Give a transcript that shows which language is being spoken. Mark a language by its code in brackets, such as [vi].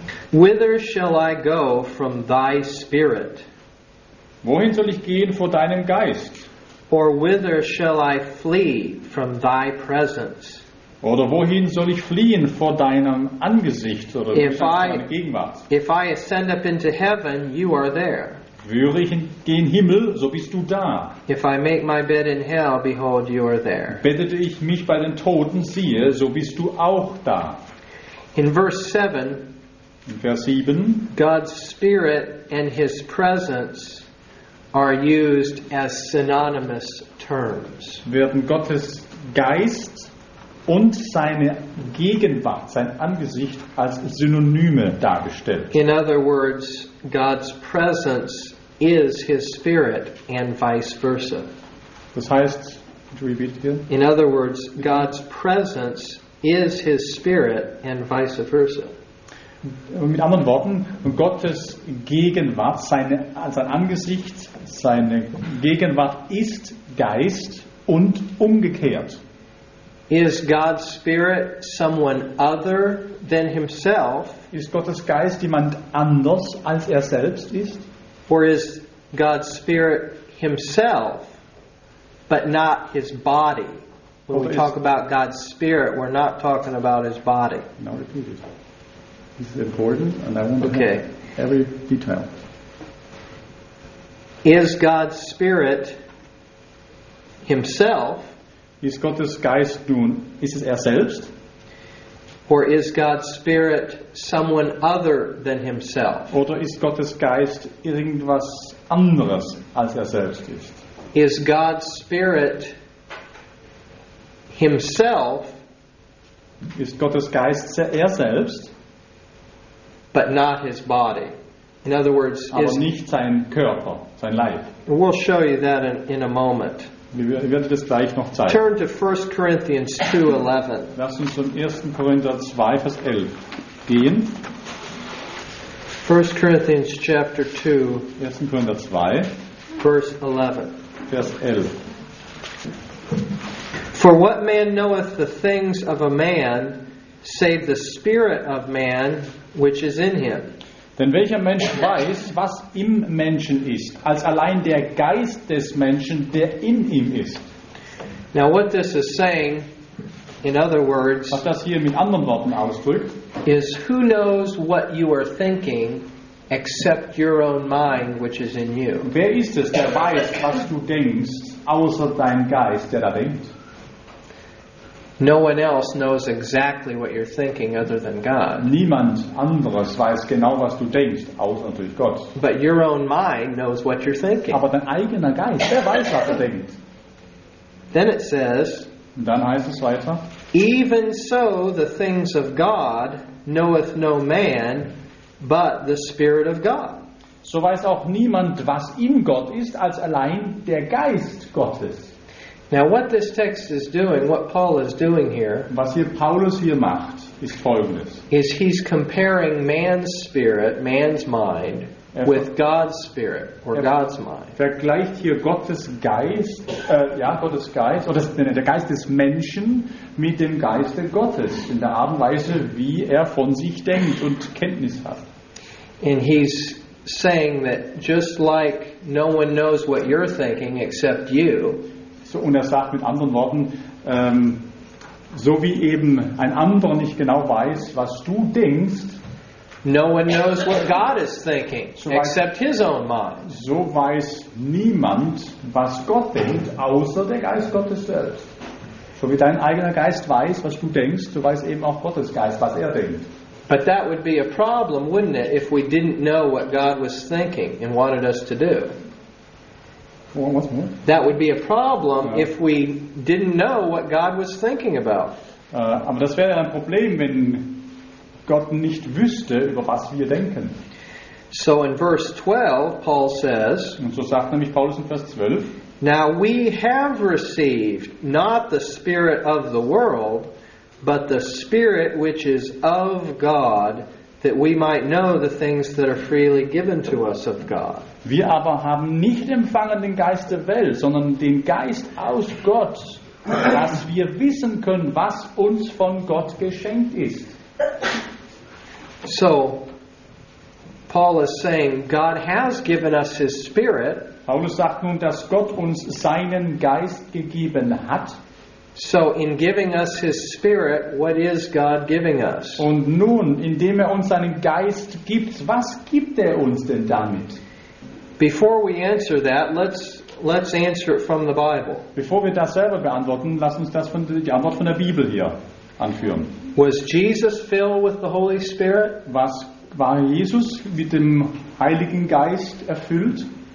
[en] Whither shall I go from thy spirit? [de] Wohin soll ich gehen vor deinem Geist? [en] Or whither shall I flee from thy presence? [de] Oder wohin soll ich fliehen vor deinem Angesicht oder [en] if [de] deiner Gegenwart? [en] If I ascend up into heaven, you are there. [de] Würde ich in den Himmel, so bist du da. [en] If I make my bed in hell, behold, you are there. [de] Bettete ich mich bei den Toten, siehe, so bist du auch da. [en] In verse 7, God's Spirit and His presence are used as synonymous terms. [de] Werden Gottes Geist und seine Gegenwart, sein Angesicht als Synonyme dargestellt. [en] In other words, God's presence is His Spirit and vice versa. [de] Das heißt, [en] could you repeat again? In other words, God's presence is His Spirit and vice versa. [de] Mit anderen Worten, Gottes Gegenwart, sein Angesicht, seine Gegenwart ist Geist und umgekehrt. [en] Is God's Spirit someone other than himself? [de] Ist Gottes Geist jemand anders als er selbst ist? [en] Or is God's Spirit himself, but not his body? When we talk about God's Spirit, we're not talking about his body. No, repeat it. This is important, and I want to okay. know every detail. Is God's Spirit himself? [de] Ist Gottes Geist nun, ist es selbst? [en] Or is God's Spirit someone other than himself? [de] Oder ist Gottes Geist irgendwas anderes als selbst ist? [en] Is God's Spirit himself? [de] Ist Gottes Geist selbst? [en] But not his body. In other words, [de] aber is nicht sein Körper, sein Leib. [en] We'll show you that in a moment. [de] Wir werden das gleich noch zeigen. [en] Turn to 1 Corinthians 2:11. [de] Lass uns zum 1. Korinther 2, Vers 11 gehen. [en] 1 Corinthians chapter 2. [de] 1. Korinther 2. [en] Verse 11. [de] Vers 11. [en] For what man knoweth the things of a man, save the spirit of man which is in him? [de] Denn welcher Mensch weiß, was im Menschen ist, als allein der Geist des Menschen, der in ihm ist? [en] Now what this is saying, in other words, [de] was das hier mit anderen Worten ausdrückt, [en] is who knows what you are thinking except your own mind which is in you? [de] Wer ist es, der weiß, was du denkst, außer dein Geist, der da denkt? [en] No one else knows exactly what you're thinking other than God. [de] Niemand anderes weiß genau, was du denkst, außer natürlich Gott. [en] But your own mind knows what you're thinking. [de] Aber dein eigener Geist, der weiß, was er denkt. [en] Then it says, [de] und dann heißt es weiter, [en] even so the things of God knoweth no man but the Spirit of God. [de] So weiß auch niemand, was in Gott ist, als allein der Geist Gottes. [en] Now what this text is doing, what Paul is doing here, [de] was hier Paulus hier macht, ist Folgendes. [en] Is he's comparing man's spirit, man's mind, with God's spirit, or God's mind. [de] Vergleicht hier Gottes Geist, Gottes Geist, oder der Geist des Menschen mit dem Geist Gottes, in der Art und Weise, wie von sich denkt und Kenntnis hat. [en] And he's saying that just like no one knows what you're thinking except you, [de] und sagt mit anderen Worten, so wie eben ein anderer nicht genau weiß, was du denkst, [en] no one knows what God is thinking, so except his own mind. [de] So weiß niemand, was Gott denkt, außer der Geist Gottes selbst. So wie dein eigener Geist weiß, was du denkst, so weiß eben auch Gottes Geist, was denkt. [en] But that would be a problem, wouldn't it, if we didn't know what God was thinking and wanted us to do. That would be a problem if we didn't know what God was thinking about. [de] Aber das wäre ein Problem, wenn Gott nicht wüsste, über was wir denken. [en] So in verse 12, Paul says, [de] und so sagt nämlich Paulus in Vers 12, [en] Now we have received not the spirit of the world, but the spirit which is of God, that we might know the things that are freely given to us of God. [de] Wir aber haben nicht empfangen den Geist der Welt, sondern den Geist aus Gott, dass wir wissen können, was uns von Gott geschenkt ist. [en] So, Paul is saying, God has given us his spirit. [de] Paulus sagt nun, dass Gott uns seinen Geist gegeben hat. [en] So in giving us his spirit, what is God giving us? [de] Und nun, indem uns seinen Geist gibt, was gibt uns denn damit? [en] Before we answer that, let's answer it from the Bible. [de] Bevor wir das selber beantworten, lass uns das von die Antwort von der Bibel hier anführen. [en] Was Jesus filled with the Holy Spirit? [de] Was war Jesus mit dem Heiligen Geist erfüllt?